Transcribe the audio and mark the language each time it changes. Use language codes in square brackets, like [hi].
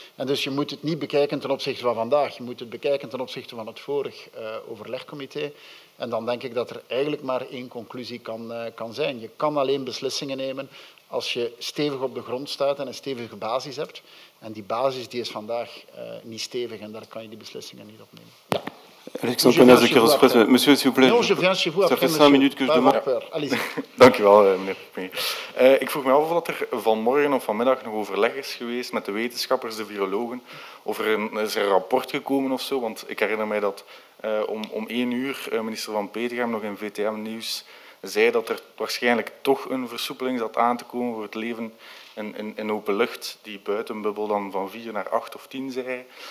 [nl] En dus je moet het niet bekijken ten opzichte van vandaag. Je moet het bekijken ten opzichte van het vorig overlegcomité. En dan denk ik dat er eigenlijk maar één conclusie kan zijn. Je kan alleen beslissingen nemen als je stevig op de grond staat en een stevige basis hebt. En die basis die is vandaag niet stevig en daar kan je die beslissingen niet op nemen. Ja. [fr] Alexandre Penas de Kairospresse. Monsieur, s'il vous plaît. Non, je viens chez vous après, ça fait 5 minutes que je demande. [nl] Dank u wel, meneer Premier. Ik vroeg me af of er vanmorgen of vanmiddag nog overleg is geweest met de wetenschappers, de virologen, of is er een rapport gekomen of zo. Want ik herinner mij dat om 1 uur minister Van Petegem nog in VTM-nieuws zei dat er waarschijnlijk toch een versoepeling zat aan te komen voor het leven in open lucht, die buitenbubbel dan van 4 naar 8 of 10 zei.